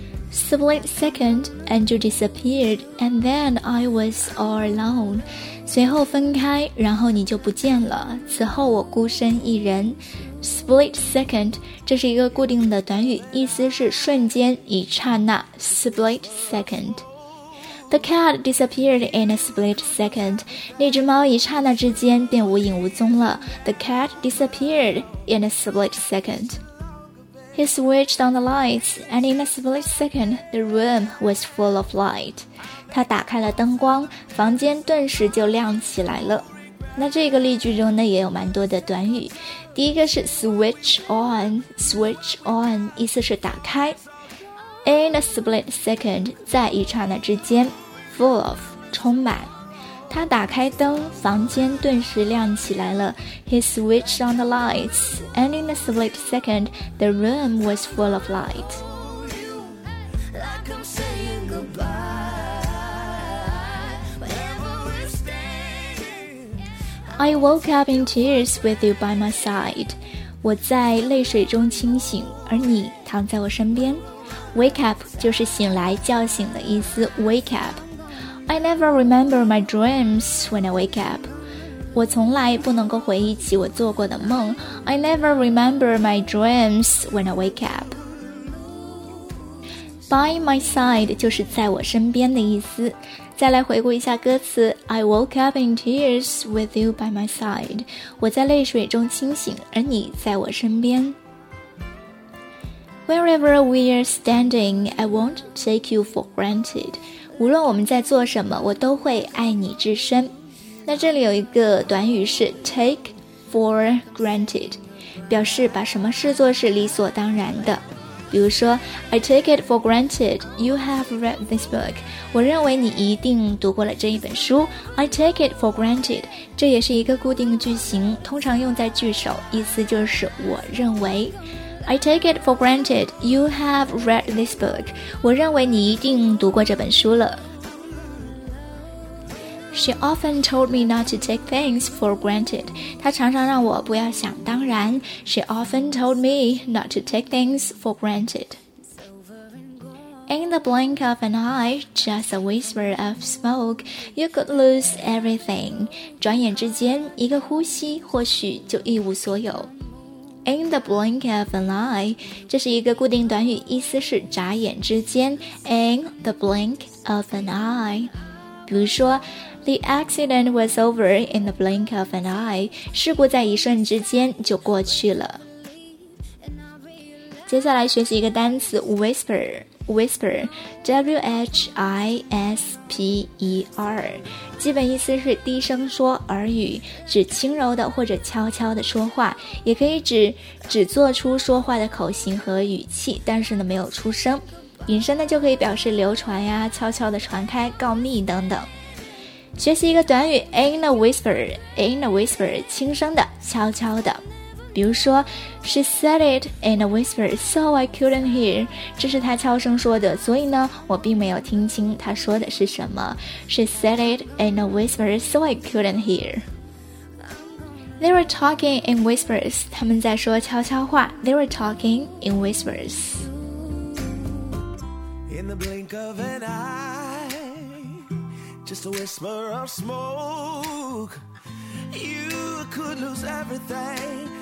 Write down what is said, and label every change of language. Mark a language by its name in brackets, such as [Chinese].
[English] Split second, and you disappeared, and then I was all alone. [Chinese] 随后分开，然后你就不见了。此后我孤身一人。 Split second, 这是一个固定的短语，意思是瞬间，一刹那。 [English] Split second. The cat disappeared in a split second. [Chinese] 那只猫一刹那之间便无影无踪了。 [English] The cat disappeared in a split second. He switched on the lights, and in a split second, the room was full of light. [Chinese] 他打开了灯光，房间顿时就亮起来了。那这个例句中呢，也有蛮多的短语。第一个是 switch on, 意思是打开。 [English] In a split second, [Chinese] 在一刹那之间 [English] ,full of, [Chinese] 充满。他打开灯，房间顿时亮起来了。 [English] He switched on the lights, and in a split second, the room was full of light. I woke up in tears with you by my side. [Chinese] 我在泪水中清醒，而你躺在我身边。 Wake up 就是醒来、叫醒的意思。 [English] Wake up. I never remember my dreams when I wake up. [Chinese] 我从来不能够回忆起我做过的梦。 [English] I never remember my dreams when I wake up. [Chinese] By my side 就是在我身边的意思。再来回顾一下歌词 [English] I woke up in tears with you by my side. [Chinese] 我在泪水中清醒，而你在我身边。 [English] Wherever we are standing, I won't take you for granted. [Chinese] 无论我们在做什么，我都会爱你至深。那这里有一个短语是 take for granted， 表示把什么视作是理所当然的。比如说 [English] I take it for granted you have read this book， [Chinese] 我认为你一定读过了这一本书。 [English] I take it for granted， [Chinese] 这也是一个固定句型，通常用在句首，意思就是我认为。 [English] I take it for granted you have read this book. [Chinese] 我认为你一定读过这本书了。 [English] She often told me not to take things for granted. [Chinese] 她常常让我不要想当然。 [English] She often told me not to take things for granted. In the blink of an eye, just a whisper of smoke, you could lose everything. [Chinese] 转眼之间，一个呼吸或许就一无所有。 [English] In the blink of an eye， [Chinese] 这是一个固定短语，意思是眨眼之间。 [English] In the blink of an eye， [Chinese] 比如说 [English] ，The accident was over in the blink of an eye， [Chinese] 事故在一瞬之间就过去了。接下来学习一个单词 whisper，whisper，whisper， 基本意思是低声说耳语，指轻柔的或者悄悄的说话，也可以指做出说话的口型和语气，但是呢没有出声。引申呢就可以表示流传呀、悄悄的传开、告密等等。学习一个短语 in a whisper， 轻声的、悄悄的。比如说 [English] She said it in a whisper so I couldn't hear. [Chinese] 这是她悄声说的，所以呢我并没有听清她说的是什么。 [English] She said it in a whisper so I couldn't hear. They were talking in whispers. [Chinese] 他们在说悄悄话。 [English] They were talking in whispers. In the blink of an eye, just a whisper of smokeYou could lose everything.